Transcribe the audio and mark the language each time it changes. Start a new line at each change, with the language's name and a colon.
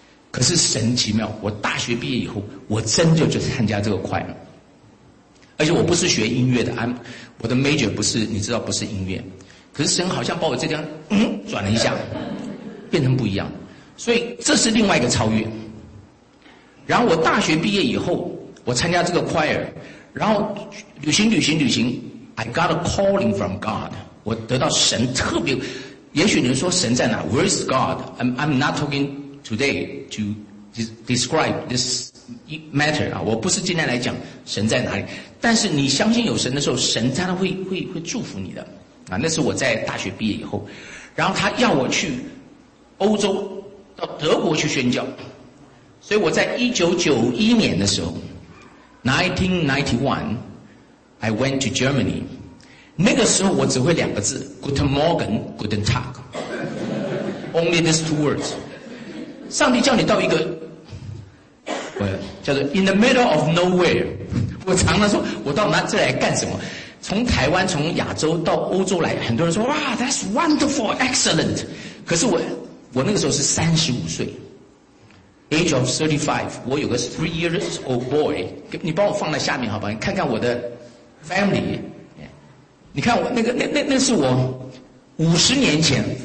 Chinese: 可是神奇妙，我大学毕业以后我真的就参加这个 choir， 而且我不是学音乐的，我的 major 不是，你知道不是音乐，可是神好像把我这张转了一下，变成不一样，所以这是另外一个超越。然后我大学毕业以后，我参加这个 choir， 然后旅行 ，
English: I got a calling from God，
Chinese: 我得到神特别，也许你说神在哪 ？
English: Where is God？ I'm not talking today to describe this matter
Chinese: 啊，我不是今天来讲神在哪里。但是你相信有神的时候，神真的会祝福你的啊！那是我在大学毕业以后，然后他要我去欧洲到德国去宣教，所以我在1991年的时候 ，1991，
English: I went to Germany。
Chinese: 那个时候我只会两个字 ，
German: Guten Morgen, Guten Tag，
English: only these two words。
Chinese: 上帝叫你到一个，叫做
English: in the middle of nowhere。
Chinese: 我常常说，我到哪这来干什么？从台湾从亚洲到欧洲来，很多人说哇
English: that's wonderful excellent，
Chinese: 可是我那个时候是35岁，
English: age of 35，
Chinese: 我有个
English: 3 years old boy，
Chinese: 你帮我放在下面好不好，你看看我的 family， 你看我那个那是我50年前